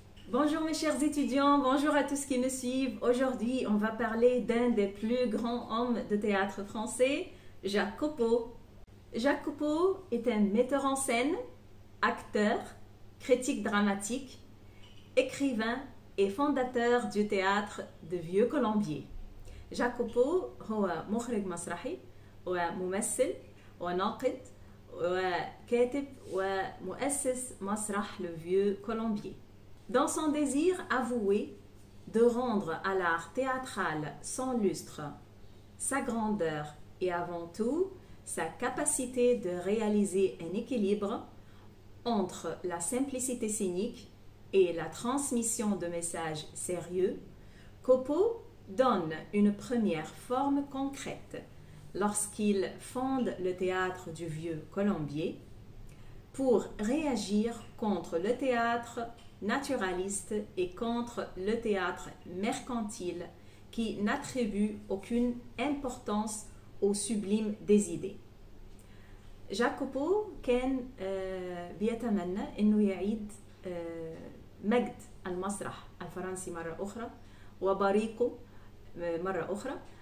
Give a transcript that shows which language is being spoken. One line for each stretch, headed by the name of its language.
French: Bonjour mes chers étudiants, bonjour à tous qui me suivent. Aujourd'hui, on va parler d'un des plus grands hommes de théâtre français, Jacques Copeau. Jacques Copeau est un metteur en scène, acteur, critique dramatique, écrivain et fondateur du théâtre de Vieux Colombier.
Arabic: Jacques Copeau هو مخرج مسرحي وممثل وناقد وكاتب ومؤسس مسرح Le Vieux Colombier.
French: Dans son désir avoué de rendre à l'art théâtral son lustre, sa grandeur et avant tout sa capacité de réaliser un équilibre entre la simplicité scénique et la transmission de messages sérieux, Copeau donne une première forme concrète lorsqu'il fonde le théâtre du Vieux Colombier pour réagir contre le théâtre naturaliste et contre le théâtre mercantile qui n'attribue aucune importance au sublime des idées.
Arabic: Jacques Copeau كان بيتمنى انه يعيد مجد المسرح الفرنسي مرة أخرى وبريقه مرة أخرى